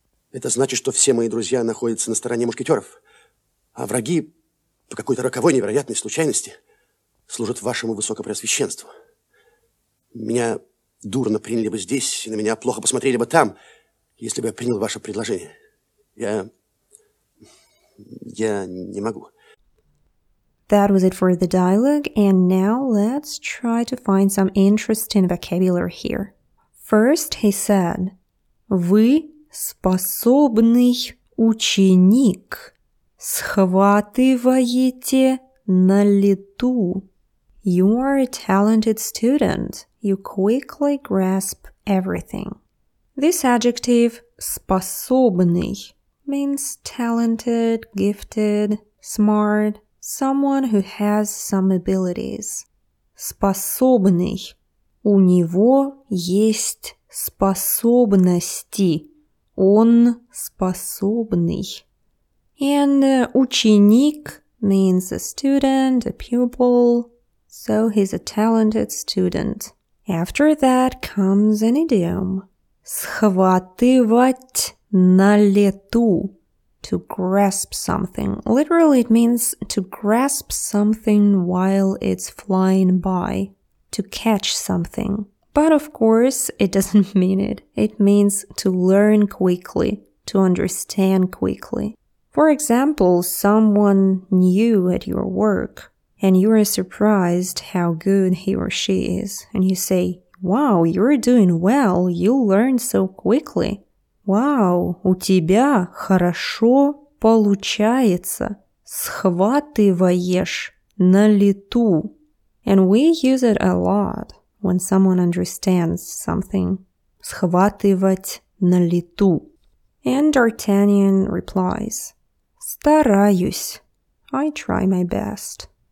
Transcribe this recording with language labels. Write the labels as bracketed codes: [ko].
[ru] Это значит, что все мои друзья находятся на стороне мушкетеров, а враги по какой-то роковой невероятной случайности служат вашему Высокопреосвященству. Меня дурно приняли бы здесь, и на меня плохо посмотрели бы там, если бы я принял ваше предложение. Я не могу. [en] That was it for the dialogue, and now let's try to find some interesting vocabulary here. First, he said, [ru] Вы способный ученик, схватываете на лету. [en] You are a talented student. You quickly grasp everything. This adjective, способный, means talented, gifted, smart, someone who has some abilities. [ru] Способный. У него есть способности. Он способный. [en] And ученик means a student, a pupil. So he's a talented student. After that comes an idiom. [ru] Схватывать на лету. [en] To grasp something. Literally, it means to grasp something while it's flying by. To catch something. But of course, it doesn't mean it. It means to learn quickly. To understand quickly. For example, someone new at your work. And you are surprised how good he or she is. And you say, wow, you're doing well. You learn so quickly. [ru] Вау, у тебя хорошо получается. Схватываешь на лету. [en] And we use it a lot when someone understands something. [ru] Схватывать на лету. [en] And D'Artagnan replies. [ru] Стараюсь. [en] I try my best.